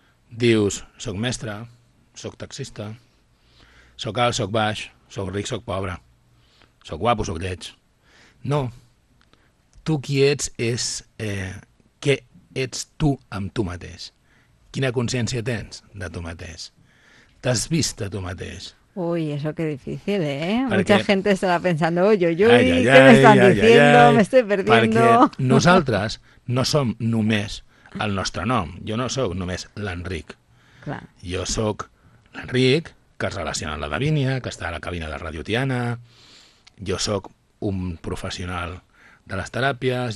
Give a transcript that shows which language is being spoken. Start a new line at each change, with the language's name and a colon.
Catalan: Dius, soc mestre, soc taxista, soc alt, soc baix, soc ric, soc pobre, soc guapo, soc lleig. No, tu qui ets és què ets tu amb tu mateix. Quina consciència tens de tu mateix? T'has vist de tu mateix?
Spanish: Uy, eso qué difícil, ¿eh? Perquè... Mucha gente estará pensando, uy, uy, uy, ¿qué me están diciendo? Me estoy perdiendo.
Catalan: Perquè nosaltres no som només el nostre nom. Jo no sóc només l'Enric. Jo sóc l'Enric, que es relaciona amb la Davínia, que està a la cabina de Radio Tiana. Jo sóc un professional de les teràpies.